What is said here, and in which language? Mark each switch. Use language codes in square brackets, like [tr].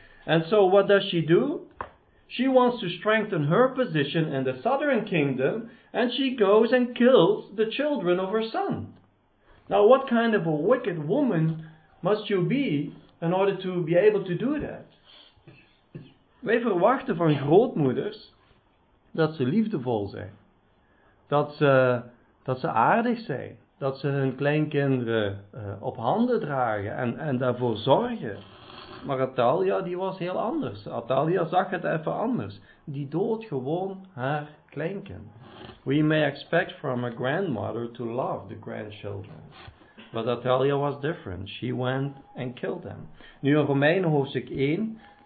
[en] And so what does she do? She wants to strengthen her position in the southern kingdom, and she goes and kills the children of her son. Now, what kind of a wicked woman must you be in order to be able to do that? [nl] Wij verwachten van grootmoeders dat ze liefdevol zijn. Dat ze aardig zijn. Dat ze hun kleinkinderen op handen dragen en daarvoor zorgen. Maar Atalia die was heel anders. Atalia zag het even anders. Die dood gewoon haar kleinkind. [en] We may expect from a grandmother to love the grandchildren. But Atalia was different. She went and killed them. [nl] Nu in Romeinen hoofdstuk 1...